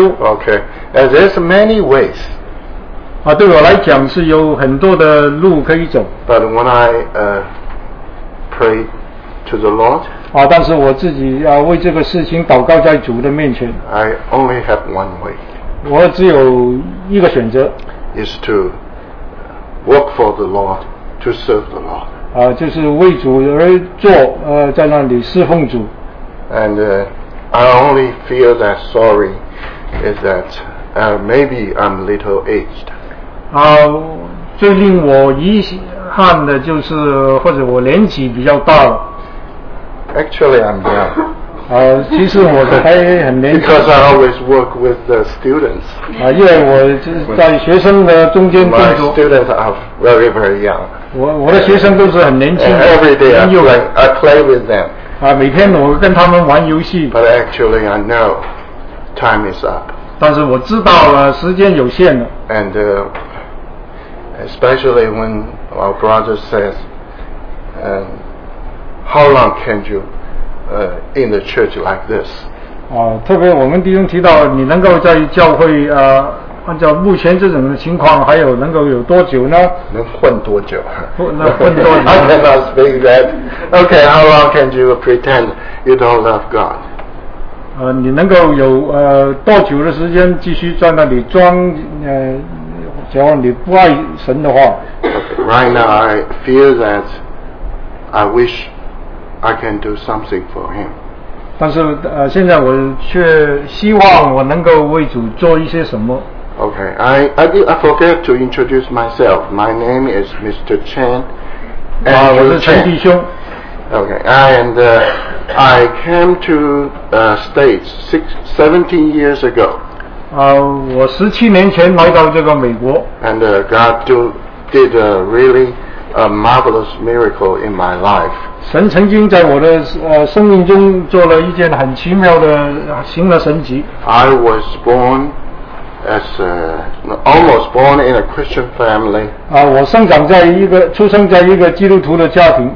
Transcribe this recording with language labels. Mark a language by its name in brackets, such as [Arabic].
[English] Okay. And there's many ways. [Chinese] 对我来讲是有很多的路可以走。 [English] But when I pray to the Lord. [Chinese] 但是我自己为这个事情祷告在主的面前。 [English] I only have one way. [Chinese] 我只有一个选择。 [English] Is to work for the Lord, to serve the Lord. [Chinese] 就是为主而做，在那里侍奉主。 [English] And I only feel that sorry is that maybe I'm little aged. [Chinese] 最令我遗憾的就是或者我年纪比较大了。 [English] Actually, I'm young. [Chinese] 其实我还很年轻。 [English] Because I always work with the students. [Chinese] 因为我就是在学生的中间工作。 [English] My students are very, very young. [Chinese] 我的学生都是很年轻的。 [English] And every day I play with them. [Chinese] 每天我跟他们玩游戏。 [English] But actually, I know time is up. [Chinese] 但是我知道了，时间有限了。 [English] And especially when our brother says, How long can you in the church like this? [Chinese] 特别我们弟兄提到你能够在教会按照目前这种情况还有能够有多久呢？能混多久？混多久？ [English] I cannot speak that. Okay, how long can you pretend you don't love God? [Chinese] 你能够有多久的时间继续在那里装假如你不爱神的话。 [English] Right now I feel that I wish I can do something for him. [Chinese] 但是现在我却希望我能够为主做一些什么。 [English] Okay, I forget to introduce myself. My name is Mr. Chen. [Chinese] 我是陈弟兄。 [English] Okay, and I came to States 17 years ago. [Chinese] 我十七年前来到这个美国。 [English] And God did a really marvelous miracle in my life. [Chinese] 神曾经在我的生命中做了一件很奇妙的行了神迹。 [English] I was born as almost born in a Christian family. [Chinese] 我生长在一个出生在一个基督徒的家庭。